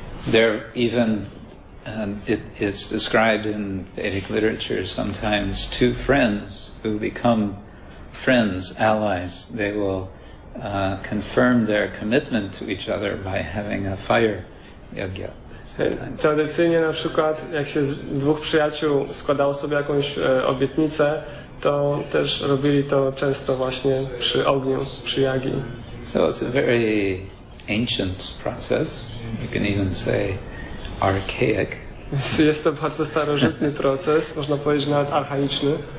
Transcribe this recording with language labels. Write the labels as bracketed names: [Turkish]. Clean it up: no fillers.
[English] There even it is described in Vedic literature sometimes two friends who become friends, allies, they will confirm their commitment to each other by having a fire yajna. [Polish] Tradycyjnie na przykład, jak się z dwóch przyjaciół składało sobie jakąś obietnicę, to też robili to często właśnie przy ogniu, przy jagi. [English] So it's a very ancient process, you can even say archaic. [Polish] Jest to bardzo starożytny proces, można powiedzieć nawet archaiczny.